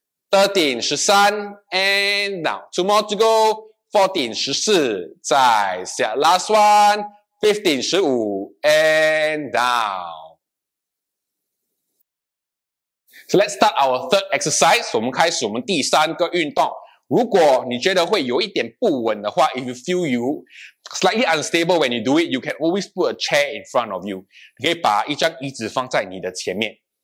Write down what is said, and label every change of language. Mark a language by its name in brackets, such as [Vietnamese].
[English] 13, 13, and down. Two more to go. 14, 14, [Chinese] 再下。 [English] Last one. 15, 15, and down. So let's start our third exercise. [Chinese] 我们开始我们第三个运动。如果你觉得会有一点不稳的话 [English] if you feel you slightly unstable when you do it, you can always put a chair in front of you. [Chinese] 你可以把一张椅子放在你的前面。